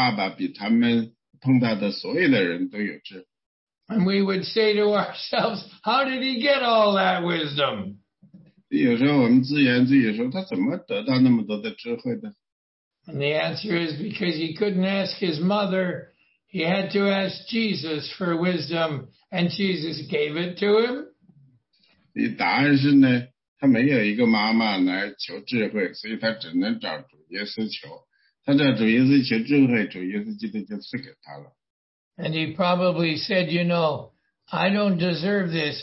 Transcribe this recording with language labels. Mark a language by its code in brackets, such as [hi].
[zh] 所以呢，从某种方面上讲呢，Norma跟他呢，都认为他爸爸比他们碰到的所有的人都有智慧。 [en] And we would say to ourselves, how did he get all that wisdom? [zh] 有时候我们自言自语说，他怎么得到那么多的智慧呢？ [en] And the answer is because he couldn't ask his mother, he had to ask Jesus for wisdom, and Jesus gave it to him. [zh] 答案是呢，他没有一个妈妈来求智慧，所以他只能找主耶稣求。他找主耶稣求智慧，主耶稣基督就赐给他了。 [en] And he probably said, you know, I don't deserve this.